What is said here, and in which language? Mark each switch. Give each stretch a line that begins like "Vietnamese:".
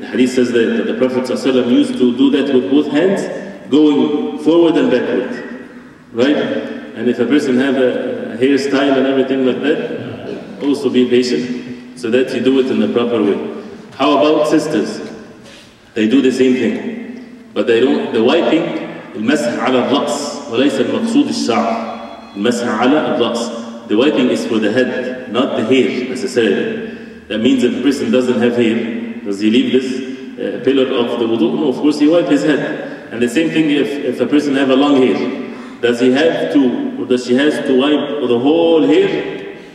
English: The hadith says that the Prophet ﷺ used to do that with both hands, going forward and backward. Right? And if a person have a hairstyle and everything like that, also be patient so that you do it in the proper way. How about sisters? They do the same thing, but they don't. The wiping,
Arabic: المسح على الرأس وليس المقصود الشعر. المسح على الرأس.
English: The wiping is for the head, not the hair necessarily. That means if a person doesn't have hair, does he leave this pillar of the wudu? No, of course he wipes his head. And the same thing if a person have a long hair, does he have to, or does she have to wipe the whole hair?